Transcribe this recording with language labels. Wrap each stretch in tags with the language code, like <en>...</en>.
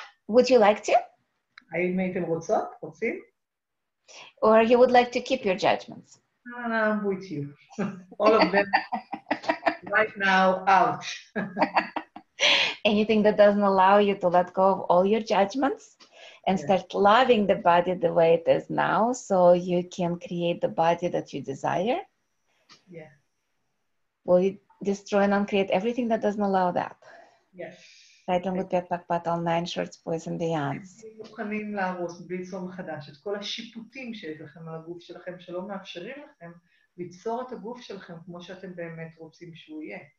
<en>Would you like to?</en> <he>האם הייתם רוצות? רוצים?</he> <en>Or you would like to keep your judgments? No, I'm with you. All of them. Right now, out. Anything that doesn't allow you to let go of all your judgments? And start loving the body the way it is now, so you can create the body that you desire. Yeah. Will you destroy and uncreate everything that doesn't allow that? Yes. Right on with that, back, but all nine shorts, boys and beyonds.</en> <he>אתם מוכנים להרוס בלי צום חדש את כל השיפוטים שיש לכם על הגוף שלכם שלא מאפשרים לכם ליצור את הגוף שלכם כמו שאתם באמת רוצים שהוא יהיה.</he>